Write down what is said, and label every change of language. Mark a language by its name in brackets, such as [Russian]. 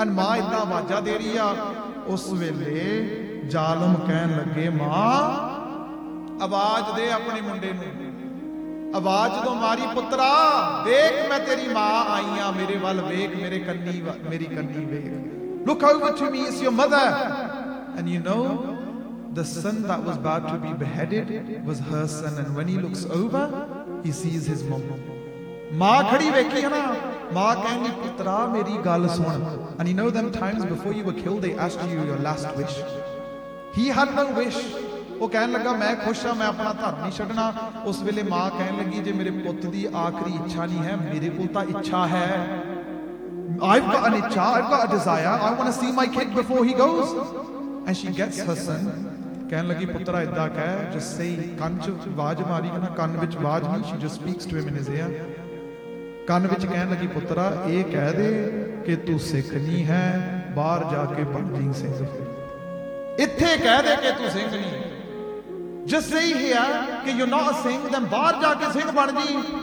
[Punjabi] And ਮਾਂ ਇੰਨਾ ਆਵਾਜ਼ਾਂ ਦੇ ਰਹੀ ਆ. ਉਸ ਵੇਲੇ ਜ਼ਾਲਮ ਕਹਿਣ ਲੱਗੇ, ਮਾਂ ਆਵਾਜ਼ ਦੇ ਆਪਣੇ ਮੁੰਡੇ ਨੂੰ, ਆਵਾਜ਼ ਜਦੋਂ ਮਾਰੀ, ਪੁੱਤਰਾ ਦੇਖ ਮੈਂ ਤੇਰੀ ਮਾਂ ਆਈ ਆ, ਮੇਰੇ ਵੱਲ ਵੇਖ, ਮੇਰੇ ਕੰਨੀ ਮੇਰੀ ਕੰਨੀ ਵੇਖ, [English] Look out to me, it's your mother. And you know, the son that was about to be beheaded was her son, and when he looks over he sees his mom. [Punjabi] Maa khadi vekhi hai na, maa kehni, putra meri gal sun. [English] And you know them times before you were killed they asked you your last wish. He had no wish, [Punjabi] ਉਹ ਕਹਿਣ ਲੱਗਾ ਮੈਂ ਖੁਸ਼ ਹਾਂ ਮੈਂ ਆਪਣਾ ਧਰਮ ਨਹੀਂ ਛੱਡਣਾ। ਉਸ ਵੇਲੇ ਮਾਂ ਕਹਿਣ ਲੱਗੀ ਜੇ ਮੇਰੇ ਪੁੱਤ ਦੀ ਆਖਰੀ ਇੱਛਾ ਨਹੀਂ ਹੈ, ਮੇਰੇ ਕੋਲ ਤਾਂ ਇੱਛਾ ਹੈ। [English] I've got an icha, I've got a desire, I want to see my kid before he goes. And she gets her son. [Punjabi] ਕਹਿਣ ਲੱਗੀ ਪੁੱਤਰਾ ਇੱਦਾਂ ਕਹਿ, [English] just say, [Punjabi] ਕੰਨ ਚ ਆਵਾਜ਼ ਮਾਰੀ ਕਹਿੰਦਾ ਕੰਨ ਵਿੱਚ ਆਵਾਜ਼ ਨਹੀਂ, [English] she just speaks to him in his ear. [Punjabi] ਕੰਨ ਵਿੱਚ ਕਹਿਣ ਲੱਗੀ ਪੁੱਤਰਾ ਇਹ ਕਹਿ ਦੇ ਕਿ ਤੂੰ ਸਿੱਖ ਨਹੀਂ ਹੈ, ਬਾਹਰ ਜਾ ਕੇ ਬਣ ਜੀ ਸਿੰਘ। ਇੱਥੇ ਕਹਿ ਦੇ ਕਿ ਤੂੰ ਸਿੰਘ ਨਹੀਂ, [English] just say here [Punjabi] ਕਿ [English] you're not a Singh, then [Punjabi] ਬਾਹਰ ਜਾ ਕੇ ਸਿੰਘ ਬਣ ਜੀ।